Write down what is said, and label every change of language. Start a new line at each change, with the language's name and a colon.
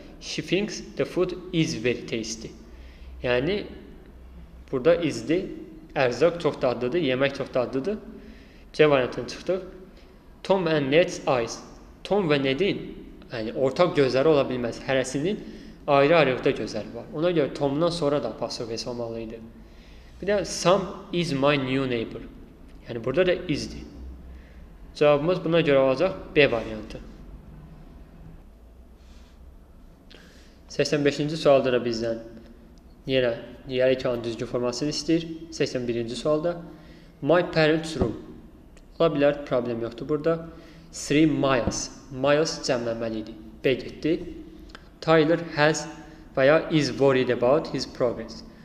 English: She thinks the food is very tasty.
Azerbaijani: Yəni, burada is-dir. Ərzaq çox dadlıdır. Yemək çox dadlıdır. C variantını çıxdıq.
English: Tom and Ned's eyes.
Azerbaijani: Tom və Ned'in yəni, ortaq gözləri ola bilməz. Hərəsinin ayrı-ayrıqda gözləri var. Ona görə Tom'dan sonra da pasif olmalı idi. Bir də
English: Sam is my new neighbor.
Azerbaijani: Yəni, burada da is-dir. Cavabımız buna görə olacaq B variantı. 85-ci sualda da bizdən yəni ki, onun düzgün formasını istəyir. 81-ci sualda My parents' room. Ola bilər, problem yoxdur burada. 3 miles. Miles cəmləməliydi. B getdi.
English: Tyler has
Azerbaijani: və ya
English: is worried about his progress.